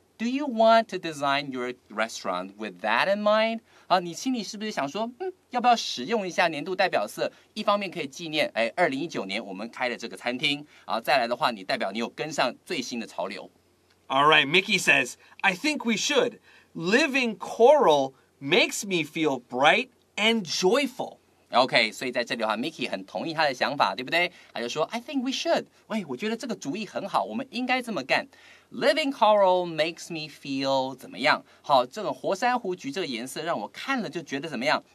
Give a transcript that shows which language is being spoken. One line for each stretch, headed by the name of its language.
English: Do you want to design your restaurant with that in mind?
Chinese: 好，你心里是不是想说，要不要使用一下年度代表色？一方面可以纪念，哎，2019年我们开的这个餐厅。好，再来的话，你代表你有跟上最新的潮流。
English: All right, Mickey says, I think we should. Living coral makes me feel bright and joyful.
Chinese: OK, 所以在这里的话 ,Mickey 很同意他的想法,对不对?他就说 ,
English: I think we should.
Chinese: 喂,我觉得这个主意很好,我们应该这么干。
English: Living coral makes me feel
Chinese: 怎么样? 好,这个活珊瑚橘这个颜色让我看了就觉得怎么样?